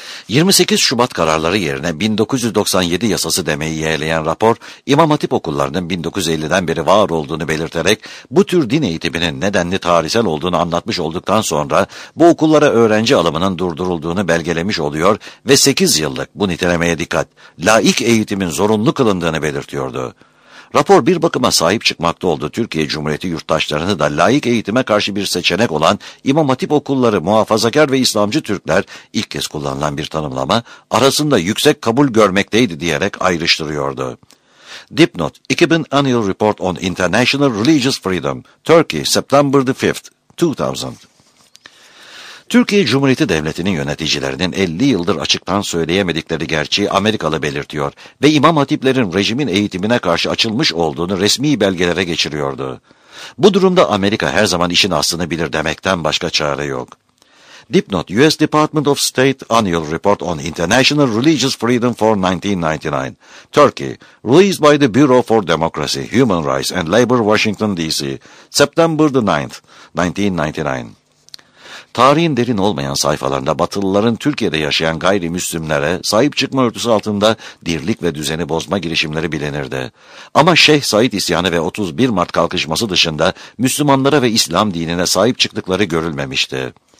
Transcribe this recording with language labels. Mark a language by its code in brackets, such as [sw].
[tr] 28 Şubat kararları yerine 1997 yasası demeyi yeğleyen rapor, İmam Hatip okullarının 1950'den beri var olduğunu belirterek bu tür din eğitiminin ne denli tarihsel olduğunu anlatmış olduktan sonra bu okullara öğrenci alımının durdurulduğunu belgelemiş oluyor ve 8 yıllık, bu nitelemeye dikkat, laik eğitimin zorunlu kılındığını belirtiyordu. Rapor bir bakıma sahip çıkmakta oldu. Türkiye Cumhuriyeti yurttaşlarını da laik eğitime karşı bir seçenek olan İmam Hatip okulları, muhafazakar ve İslamcı Türkler, ilk kez kullanılan bir tanımlama, arasında yüksek kabul görmekteydi diyerek ayrıştırıyordu. Dipnot, [en] 2000 Annual Report on International Religious Freedom, Turkey, September the 5th, 2000. [tr] Türkiye Cumhuriyeti Devleti'nin yöneticilerinin 50 yıldır açıktan söyleyemedikleri gerçeği Amerikalı belirtiyor ve İmam Hatiplerin rejimin eğitimine karşı açılmış olduğunu resmi belgelere geçiriyordu. Bu durumda Amerika her zaman işin aslını bilir demekten başka çare yok. Dipnot, [en] U.S. Department of State Annual Report on International Religious Freedom for 1999, Turkey, released by the Bureau for Democracy, Human Rights and Labor, Washington D.C., September the 9th, 1999. [tr] Tarihin derin olmayan sayfalarında Batılıların Türkiye'de yaşayan gayrimüslimlere sahip çıkma örtüsü altında dirlik ve düzeni bozma girişimleri bilinirdi. Ama Şeyh Said isyanı ve 31 Mart kalkışması dışında Müslümanlara ve İslam dinine sahip çıktıkları görülmemişti.